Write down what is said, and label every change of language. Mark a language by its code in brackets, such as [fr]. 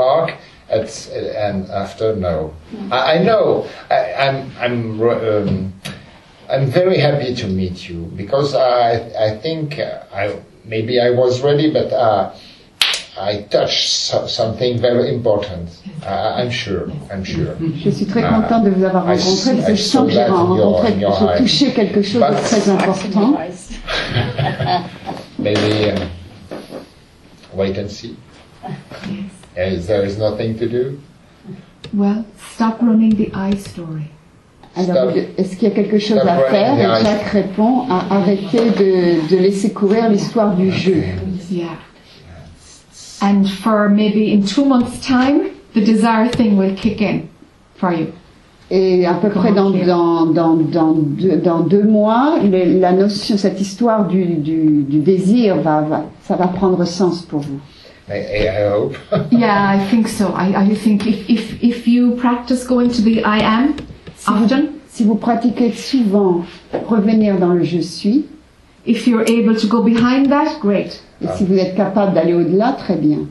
[en] I feel that's just like an étincelle, a spark, and after no. I'm very happy to meet you because I think I was ready, but I touched something very important. I'm sure. [fr] Je suis très content de vous avoir rencontré. Je sens que j'ai rencontré, j'ai touché quelque chose de très important. [en] Maybe wait and see. Yes. There is nothing to do. Well, stop running the I story. [fr] Alors, est-ce qu'il y a quelque chose à faire? Et Jacques répond à arrêter de laisser courir l'histoire du jeu. [en] Yeah. And for maybe in 2 months' time, the desire thing will kick in for you. [fr] Et à peu près dans 2 mois, la notion, cette histoire du désir va prendre sens pour vous. [en] I hope. Yeah, I think so. I think if you practice going to the I am often. [fr] Si vous pratiquez souvent revenir dans le je suis. [en] If you're able to go behind that, great. [fr] Et si vous êtes capable d'aller au-delà, très bien.